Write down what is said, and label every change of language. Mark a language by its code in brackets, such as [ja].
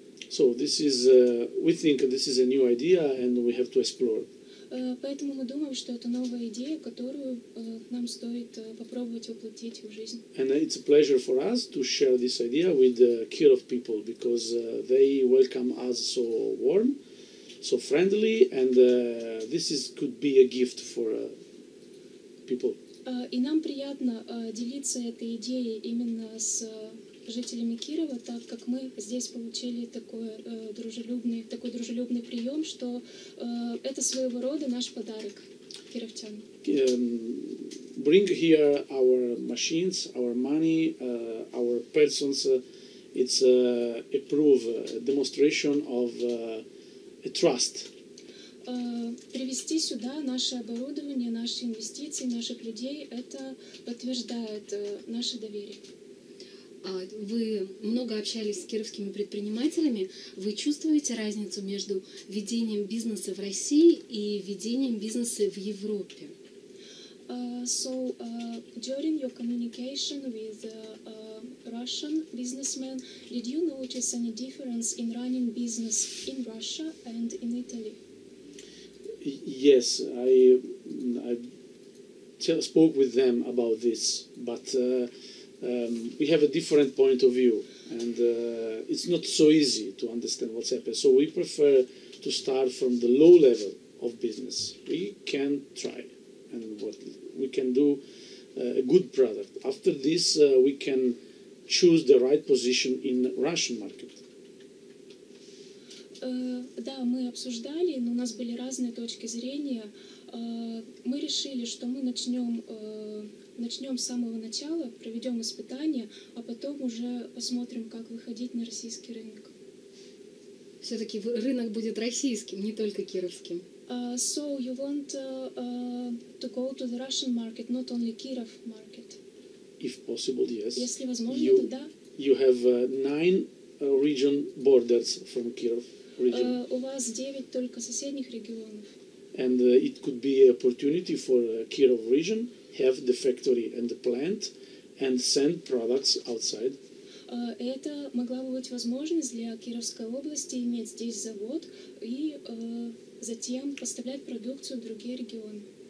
[en] So this is, we think this is a new idea and we have to explore. [ru] Поэтому мы думаем, что это новая идея, которую нам стоит попробовать воплотить в жизнь. [en] And it's a pleasure for us to share this idea with the Kirov people, because they welcome us so warm, so friendly, and this is could be a gift for people. [ru] И нам приятно делиться этой идеей именно с жителями Кирова, так как мы здесь получили такой дружелюбный прием, что это своего рода наш подарок кировчан. [en] Bring here our machines, our money, our persons. It's a proof, a demonstration of a trust. [ru] Привести сюда наше оборудование, наши инвестиции, наших людей, это подтверждает наше доверие. Вы много общались с кировскими предпринимателями. Вы чувствуете разницу между ведением бизнеса в России и ведением бизнеса в Европе? [en] During your communication with Russian businessmen, did you notice any difference in running business in Russia and in Italy? Yes, I spoke with them about this, but we have a different point of view, and it's not so easy to understand what's happened. So we prefer to start from the low level of business. We can try, and what we can do a good product. After this, we can choose the right position in Russian market. [ru] Да, мы обсуждали, но у нас были разные точки зрения. Мы решили, что мы начнем с самого начала, проведем испытания, а потом уже посмотрим, как выходить на российский рынок. Все-таки рынок будет российским, не только кировским. [en] So you want to go to the Russian market, not only Kirov market? If possible, yes. [ru] Если возможно, то да. [en] You have nine region borders from Kirov. [ru] У вас 9 только соседних регионов. [en] And it could be an opportunity for Kirov region have the factory and the plant and send products outside. [ru] Это могла бы быть возможность для Кировской области иметь здесь завод и затем поставлять продукцию в другие регионы.